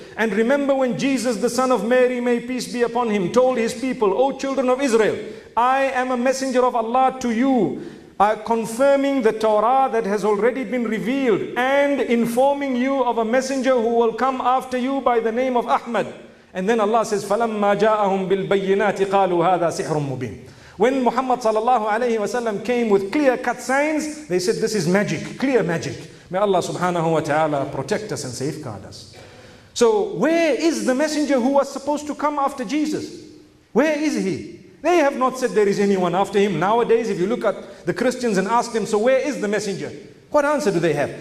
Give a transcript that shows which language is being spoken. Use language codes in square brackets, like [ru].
[en] And remember when Jesus, the son of Mary, may peace be upon him, told his people, O children of Israel, I am a messenger of Allah to you, confirming the Torah that has already been revealed and informing you of a messenger who will come after you by the name of Ahmad. And then Allah says, [ar] فَلَمَّا جَاءَهُمْ بِالْبَيِّنَاتِ قَالُوا هَذَا سِحْرٌ مُبِينٌ. [en] When Muhammad sallallahu alayhi wa sallam came with clear cut signs, they said, this is magic, clear magic. May Allah subhanahu wa ta'ala protect us and safeguard us. So where is the messenger who was supposed to come after Jesus? Where is he? They have not said there is anyone after him. Nowadays, if you look at the Christians and ask them, so where is the messenger? What answer do they have?